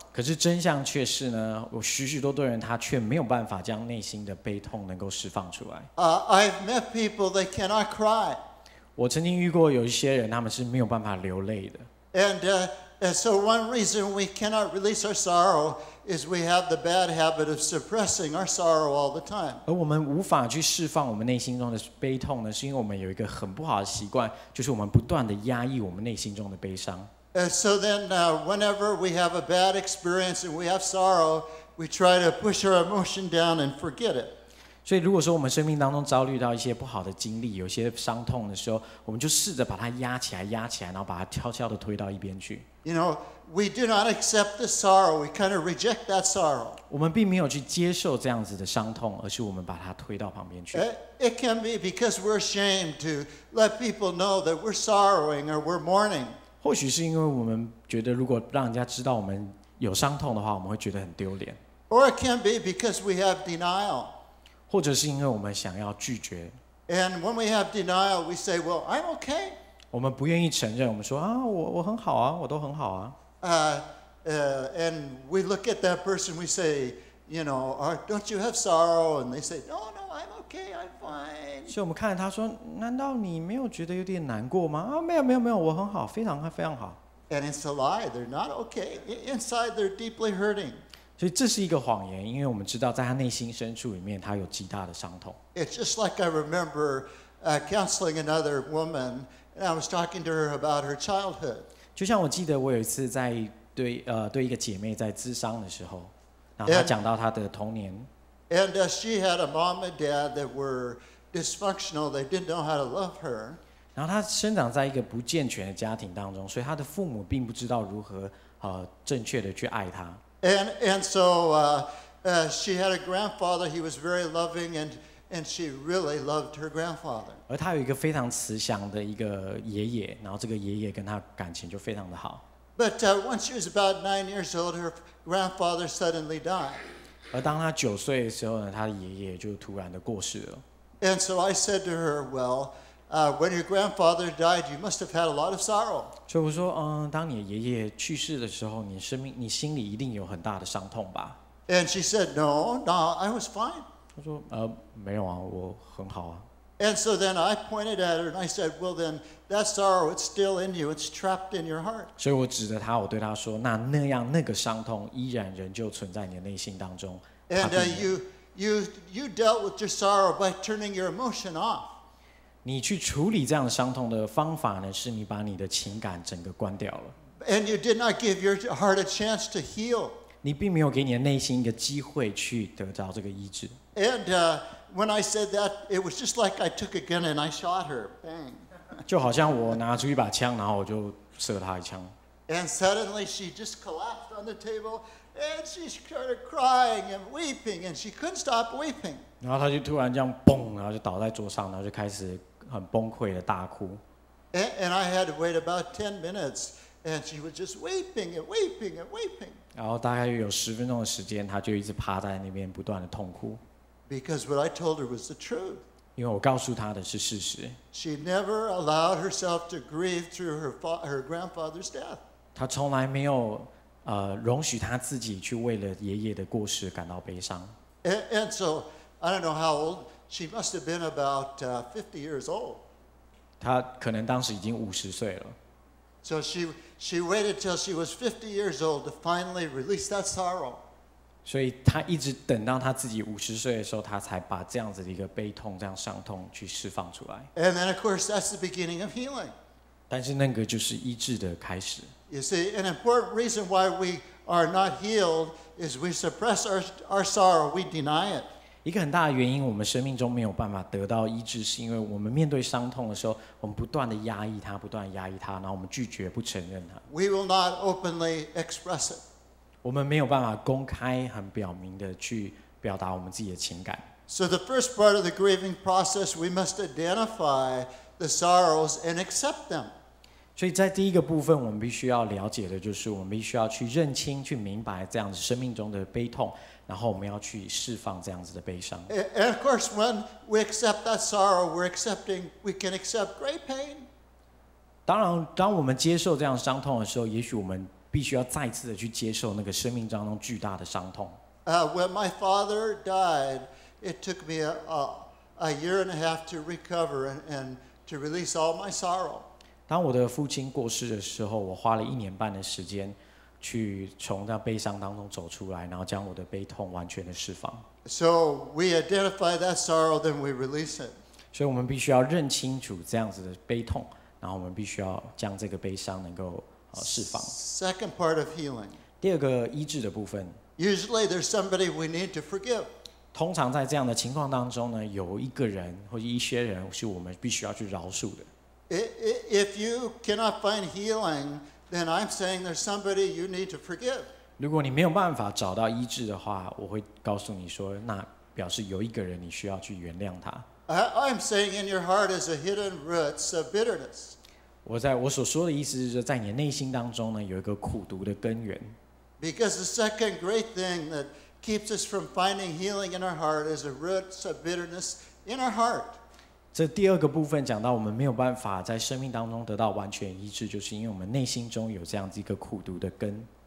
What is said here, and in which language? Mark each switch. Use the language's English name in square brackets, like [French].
[Chinese] 可是真相却是呢，有许许多多人他却没有办法将内心的悲痛能够释放出来。 [English] I've met people that cannot cry. [Chinese] 我曾经遇过有一些人，他们是没有办法流泪的。 [English] And so one reason we cannot release our sorrow is we have the bad habit of suppressing our sorrow all the time. [Chinese] 而我们无法去释放我们内心中的悲痛呢，是因为我们有一个很不好的习惯，就是我们不断地压抑我们内心中的悲伤。 [English] So then, whenever we have a bad experience and we have sorrow, we try to push our emotion down and forget it. [Chinese] 所以如果说我们生命当中遭遇到一些不好的经历，有些伤痛的时候，我们就试着把它压起来，压起来，然后把它悄悄地推到一边去。 [English] You know, we do not accept the sorrow. We kind of reject that sorrow. [Chinese] 我们并没有去接受这样子的伤痛，而是我们把它推到旁边去。 [English] It can be because we're ashamed to let people know that we're sorrowing or we're mourning. [Chinese] 或许是因为我们觉得，如果让人家知道我们有伤痛的话，我们会觉得很丢脸。 [English] Or it can be because we have denial. [Chinese] 或者是因为我们想要拒绝。 [English] And when we have denial, we say, "Well, I'm okay." [Chinese] 我们不愿意承认，我们说啊，我很好啊，我都很好啊。 [English] And we look at that person, we say, you know, "Don't you have sorrow?" And they say, "No, I'm okay, I'm fine." [Chinese] 所以我们看着他说，难道你没有觉得有点难过吗？啊，没有，我很好，非常非常好。 [English] And it's a lie. They're not okay. Inside, they're deeply hurting. [Chinese] 所以这是一个谎言，因为我们知道在他内心深处里面，他有极大的伤痛。 [English] It's just like I remember counseling another woman, and I was talking to her about her childhood. [Chinese] 就像我记得我有一次在 对一个姐妹在諮商的时候，然后她讲到她的童年。 [English] And she had a mom and dad that were dysfunctional, they didn't know how to love her. [Chinese] 然后她生长在一个不健全的家庭当中，所以她的父母并不知道如何正确的去爱她。 [English] And so she had a grandfather, he was very loving and she really loved her grandfather. [Chinese] 而她有一个非常慈祥的一个爷爷，然后这个爷爷跟她感情就非常的好。 [English] But when she was about 9 years old, her grandfather suddenly died. [Chinese] 而当她九岁的时候呢，她的爷爷就突然的过世了。 [English] And so I said to her, "Well, when your grandfather died, you must have had a lot of sorrow." [Chinese] 所以我说，当你爷爷去世的时候，你心里一定有很大的伤痛吧。 [English] And she said, "No, I was fine." [Chinese] 他说：“没有啊，我很好啊。” [English] And so then I pointed at her and I said, well then, that sorrow, it's still in you, it's trapped in your heart. [Chinese] 所以我指着她，我对她说，那个伤痛依然仍旧存在你的内心当中。 [English] And you dealt with your sorrow by turning your emotion off. [Chinese] 你去处理这样的伤痛的方法呢，是你把你的情感整个关掉了。 [English] And you did not give your heart a chance to heal. [Chinese] 你并没有给你的内心一个机会去得到这个医治。 [English] When I said that, it was just like I took a gun and I shot her. Bang. [Chinese] 就好像我拿出一把枪，然后我就射她一枪。 [English] And suddenly she just collapsed on the table and she started crying and weeping and she couldn't stop weeping. [Chinese] 然后她就突然这样蹦，然后就倒在桌上，然后就开始很崩溃的大哭。 [English] And I had to wait about 10 minutes and she was just weeping and weeping and weeping. [Chinese] 然后大概有十分钟的时间，她就一直趴在那边不断的痛哭。 [English] Because what I told her was the truth. [Chinese] 因为我告诉她的是事实。 [English] She never allowed herself to grieve through her grandfather's death. [Chinese] 她从来没有容许她自己去为了爷爷的过世感到悲伤。 [English] And so, I don't know how old, she must have been about 50 years old. [Chinese] 她可能当时已经50岁了。 [English] So she waited till she was 50 years old to finally release that sorrow. [Chinese] 所以他一直等到他自己五十岁的时候，他才把这样子的一个悲痛、这样伤痛去释放出来。 [English] And then, of course, that's the beginning of healing. [Chinese] 但是那个就是医治的开始。 [English] You see, an important reason why we are not healed is we suppress our sorrow, we deny it. [Chinese] 一个很大的原因，我们生命中没有办法得到医治，是因为我们面对伤痛的时候，我们不断的压抑它，不断压抑它，然后我们拒绝不承认它。 [English] We will not openly express it. [Chinese] 我们没有办法公开很表明的去表达我们自己的情感。 [English] So the first part of the grieving process, we must identify the sorrows and accept them. [Chinese] 所以在第一个部分，我们必须要了解的就是，我们必须要去认清、去明白这样子生命中的悲痛，然后我们要去释放这样子的悲伤。 [English] And of course, when we accept that sorrow, we can accept great pain. [Chinese] 当然，当我们接受这样伤痛的时候，也许我们必须要再次的去接受那个生命当中巨大的伤痛。 [English] When my father died, it took me a year and a half to recover and to release all my sorrow. [Chinese] 当我的父亲过世的时候，我花了一年半的时间去从那悲伤当中走出来，然后将我的悲痛完全的释放。 [English] So we identify that sorrow, then we release it. [Chinese] 所以我们必须要认清楚这样子的悲痛，然后我们必须要将这个悲伤能够释放。 [English] Second part of healing. [Chinese] 第二个医治的部分。 [English] Usually there's somebody we need to forgive. [Chinese] 通常在这样的情况当中呢，有一个人或一些人是我们必须要去饶恕的。 [English] If you cannot find healing, then I'm saying there's somebody you need to forgive. [Chinese] 如果你没有办法找到医治的话，我会告诉你说，那表示有一个人你需要去原谅他。 [English] I'm saying in your heart is a hidden root of bitterness. [Chinese] 我所说的意思是，在你的内心当中呢，有一个苦毒的根源。 [English] Because the second great thing that keeps us from finding healing in our heart is the roots of bitterness in our heart. [Chinese] 这第二个部分讲到，我们没有办法在生命当中得到完全医治，就是因为我们内心中有这样子一个苦毒的根。